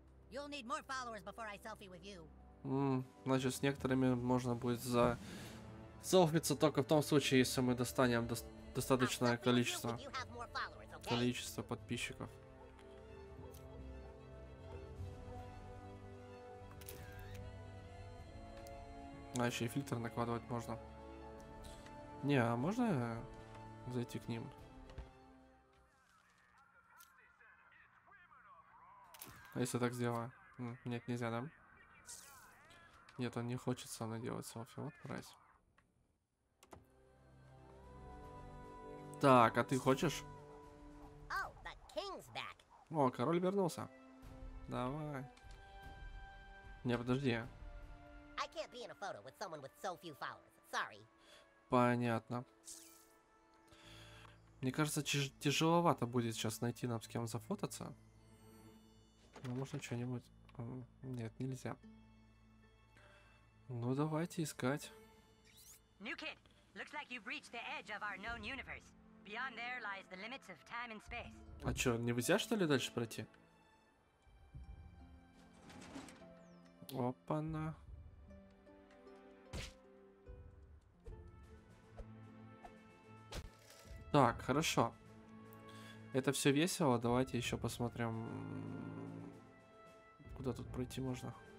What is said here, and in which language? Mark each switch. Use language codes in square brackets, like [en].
[en] You'll need more followers before I selfie with you. [ru] Значит, с некоторыми можно будет заселфиться только в том случае, если мы достанем достаточное количество количество подписчиков. А еще и фильтр накладывать можно. Не, а можно зайти к ним? А если так сделаю? Нет, нельзя, да? Нет, он не хочет со мной делать селфи. Вот, мразь. Так, а ты хочешь? О, король вернулся. Давай. Не, подожди. [en] I can't be in a photo with someone with so few followers. Sorry. [ru] Понятно. Мне кажется, тяжеловато будет сейчас найти нам с кем зафотаться. Ну, можно что-нибудь... Нет, нельзя. Ну, давайте искать. [en] New kid, looks like you've reached the edge of our known universe. Beyond there lies the limits of time and space. [ru] А чё, нельзя, что ли, дальше пройти? Опа-на. Так, хорошо. Это все весело. Давайте еще посмотрим, куда тут пройти можно.